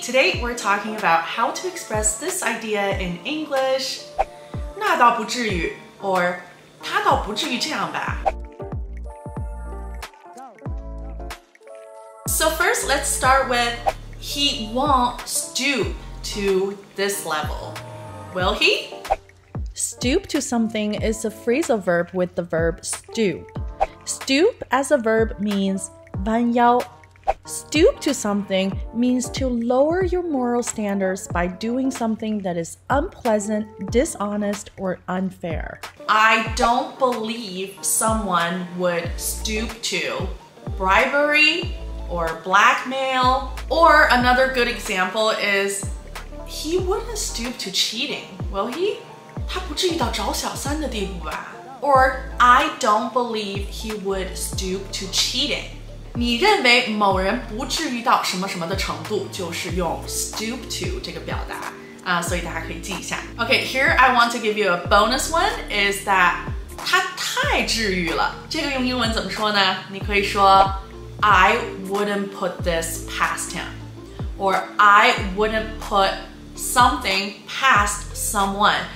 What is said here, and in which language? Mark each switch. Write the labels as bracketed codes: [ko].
[en] Today we're talking about how to express this idea in English. [zh] 那倒不至于 or 他倒不至于这样吧。 [en] So first, let's start with he won't stoop to this level. Will he? Stoop to something is a phrasal verb with the verb stoop. Stoop as a verb means 弯腰.Stoop to something means to lower your moral standards by doing something that is unpleasant, dishonest, or unfair. I don't believe someone would stoop to bribery or blackmail. Or another good example is he wouldn't stoop to cheating, will he? [zh] 他不至于到找小三的地步吧 [en] Or, I don't believe he would stoop to cheating. [zh] 你认为某人不至于到什么什么的程度就是用 stoop to 这个表达、所以大家可以记一下。 [en] Okay, here I want to give you a bonus one is that [zh] 他太至于了。这个用英文怎么说呢你可以说 [en] I wouldn't put this past him. Or, I wouldn't put something past someone.